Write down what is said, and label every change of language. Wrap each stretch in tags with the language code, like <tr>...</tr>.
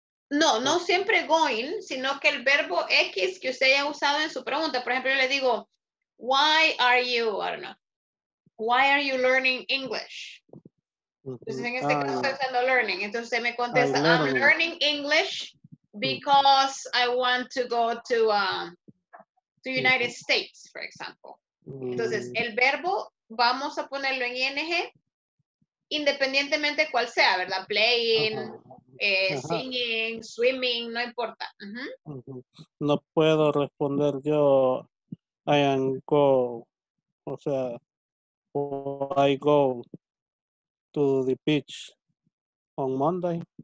<es>No, no siempre going, sino que el verbo X que usted haya usado en su pregunta. Por ejemplo, yo le digo,</es> <en>why are you, I don't know, why are you learning English?</en> <es>Entonces, en este caso, usando learning. Entonces, usted me contesta,</es> <en>I'm learning English because I want to go to United States, for example.</en> <es>Entonces, el verbo, vamos a ponerlo en ING, independientemente cuál sea, ¿verdad?</es> <en>Playing, singing, swimming,</en> <es>no importa. No puedo responder yo,</es> <en>I am go,</en> <es>o sea,</es> <en>oh, I go to the beach on Monday.</en>